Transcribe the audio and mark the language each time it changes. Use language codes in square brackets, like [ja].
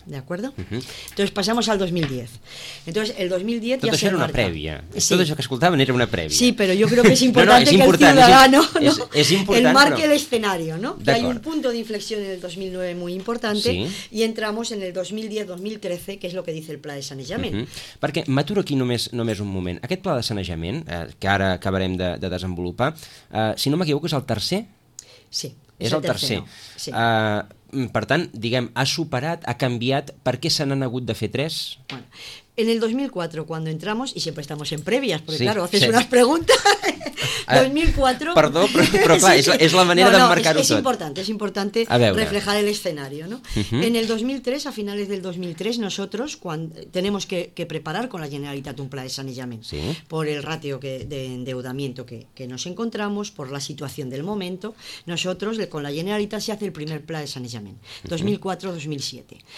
[es] ¿De acuerdo? Entonces pasamos al 2010. Entonces el 2010 todo ya eso era una previa. Sí. Todo eso que escuchaban era una previa. Sí, pero yo creo que es importante el ciudadano es importante, el escenario, ¿no? Que hay un punto de inflexión en el 2009 muy importante, y entramos en el 2010-2013, que es lo que dice el Pla de Sanejament. [ca] Perquè m'aturo aquí només un moment. Aquest Pla de Sanejament, que ara acabarem de desenvolupar, si no m'equivoco és el tercer? Sí. És el tercer. Sí. Per tant, diguem, ha superat, ha canviat, per què se n'han hagut de fer tres? [es] En el 2004, cuando entramos, y siempre estamos en previas, porque sí, claro, haces unas preguntas, 2004... [ca] Perdó, però clar, és la manera d'emmarcar-ho tot. [es] És importante reflejar el escenario, ¿no? En el 2003, a finales del 2003, nosotros tenemos que preparar con la Generalitat un plan de sanejament, sí, por el ratio de endeudamiento que nos encontramos, por la situación del momento. Nosotros, con la Generalitat, se hace el primer plan de sanejament, 2004-2007.